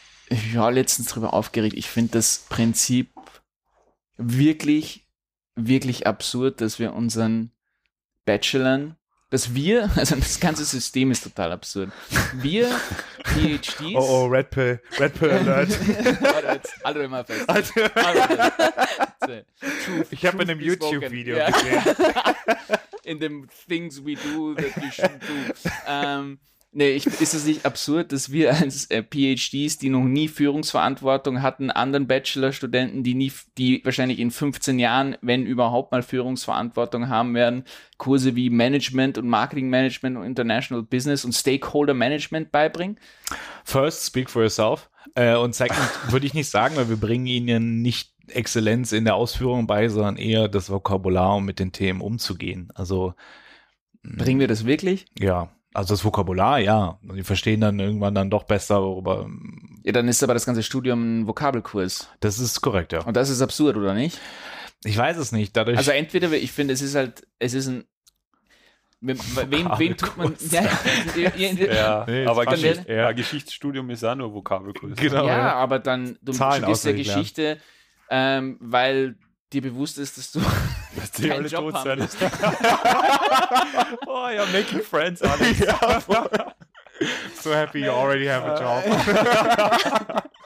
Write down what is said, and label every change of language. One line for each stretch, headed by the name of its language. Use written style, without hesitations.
German: Ich war letztens drüber aufgeregt. Ich finde das Prinzip wirklich, wirklich absurd, dass wir unseren Bachelor, dass wir, also das ganze System ist total absurd. Wir, PhDs. Oh, oh, Red Pill. Red Pill Alert. Halt mal fest. Ich habe in einem YouTube-Video gesehen. In dem Things We Do That We Shouldn't Do. Ist es nicht absurd, dass wir als PhDs, die noch nie Führungsverantwortung hatten, anderen Bachelorstudenten, die wahrscheinlich in 15 Jahren, wenn überhaupt mal Führungsverantwortung haben werden, Kurse wie Management und Marketing Management und International Business und Stakeholder Management beibringen?
English: First, speak for yourself.
German: Und
English: second,
German: würde ich nicht sagen, weil wir bringen ihnen nicht Exzellenz in der Ausführung bei, sondern eher das Vokabular, um mit den Themen umzugehen. Also bringen wir das wirklich? Ja. Also das Vokabular, ja. Die verstehen dann irgendwann dann doch besser, worüber... Ja, dann ist aber das ganze Studium ein Vokabelkurs. Das ist korrekt, ja. Und das ist absurd, oder nicht? Ich weiß es nicht, dadurch... Also entweder, ich finde, es ist ein... Wem tut man... Ja, aber Geschichtsstudium ist auch nur Vokabelkurs. Genau, ja, aber dann, du studierst ja Geschichte, weil dir bewusst ist, dass du... Dass die alle tot sind.
English: Oh, you're making friends, Alex.
German: Ja,
English: so happy you already have a job.